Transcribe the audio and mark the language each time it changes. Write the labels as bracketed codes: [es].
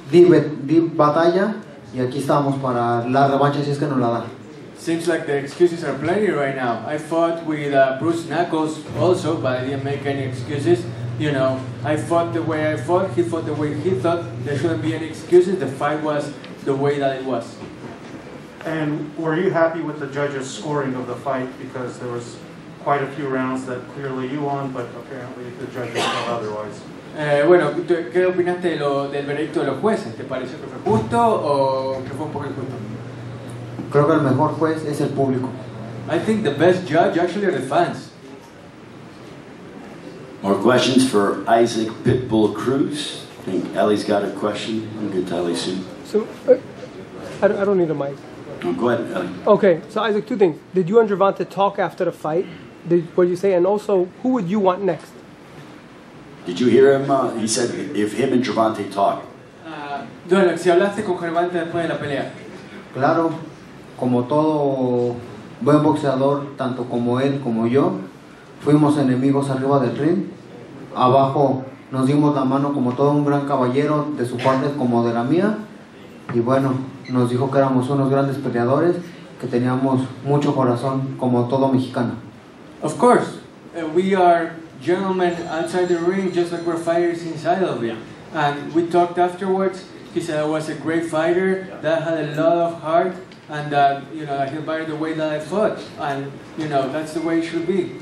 [es] Di batalla y aquí estamos para la revancha si es que nos la da. [en] Seems like the excuses are plenty right now. I fought with Bruce Knuckles also, but I didn't make any excuses. You know, I fought the way I fought, he fought the way he thought. There shouldn't be any excuses. The fight was the way that it was. And were you happy with the judges' scoring of the fight? Because there was quite a few rounds that clearly you won, but apparently the judges felt otherwise. [es] Bueno, ¿qué opinaste del veredicto de los jueces? ¿Te pareció que fue justo o que fue un poco injusto? Creo que el mejor juez es el público. [en] I think the best judge actually are the fans. More questions for Isaac Pitbull Krause. I think Ellie's got a question. I'll get to Ellie soon. So, I don't need a mic. No, go ahead, Ellie. Okay, so Isaac, two things. Did you and Gervonta talk after the fight? What did you say? And also, who would you want next? Did you hear him? He said if him and Gervonta talk. [es] Bueno, si hablaste con Gervonta después de la pelea. Claro. Como todo buen boxeador, tanto como él como yo, fuimos enemigos arriba del ring. Abajo nos dimos la mano como todo un gran caballero, de su parte como de la mía. Y bueno, nos dijo que éramos unos grandes peleadores, que teníamos mucho corazón como todo mexicano. [en] Of course, we are gentlemen outside the ring, just like we're fighters inside of you. And we talked afterwards, he said I was a great fighter, that had a lot of heart. And that, you know, he admired the way that I fought. And, you know, that's the way it should be.